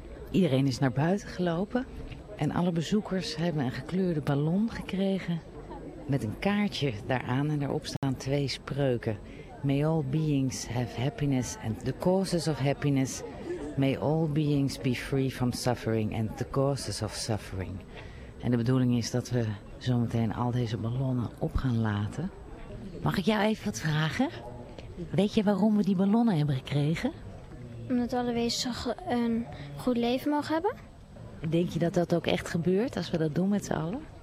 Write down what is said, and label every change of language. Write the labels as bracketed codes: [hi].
[nl] Iedereen is naar buiten gelopen en alle bezoekers hebben een gekleurde ballon gekregen met een kaartje daaraan en daarop staan twee spreuken. [en] May all beings have happiness and the causes of happiness. May all beings be free from suffering and the causes of suffering. [nl] En de bedoeling is dat we zometeen al deze ballonnen op gaan laten. Mag ik jou even wat vragen? Weet je waarom we die ballonnen hebben gekregen? Omdat alle wezens een goed leven mogen hebben. Denk je dat dat ook echt gebeurt als we dat doen met z'n allen?